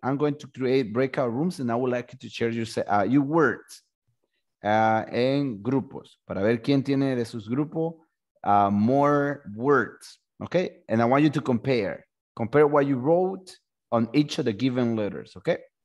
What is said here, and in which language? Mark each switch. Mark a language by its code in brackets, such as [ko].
[en] I'm going to create breakout rooms and I would like you to share your words. [es] En grupos, para ver quién tiene de sus grupos [en] more words, [es] okay? [en] And I want you to compare what you wrote on each of the given letters, okay?